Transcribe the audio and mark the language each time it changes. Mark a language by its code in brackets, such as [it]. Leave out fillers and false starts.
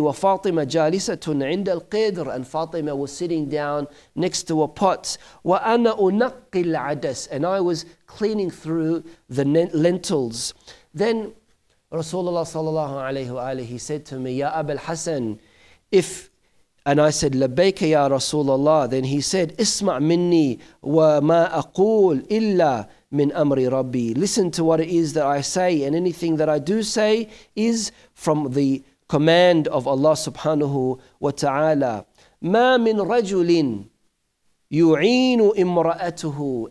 [ar] وَفَاطِمَ جَالِسَةٌ عِنْدَ الْقِدْرِ. [en] And Fatima was sitting down next to a pot. [ar] وَأَنَا أُنَقِّ الْعَدَسِ. [en] And I was cleaning through the lentils. Then Rasulullah sallallahu alayhi wa alayhi, he said to me, [ar] يَا أَبَا الْحَسَنِ. [en] And I said, [ar] لَبَّيْكَ يَا رَسُولَ اللَّهِ. [en] Then he said, [ar] اسْمَعْ مِنِّي وَمَا أَقُولْ إِلَّا min amri rabbi. [en] Listen to what it is that I say, and anything that I do say is from the command of Allah subhanahu wa ta'ala. [ar] Ma min rajulin yu'inu imra'atuhu.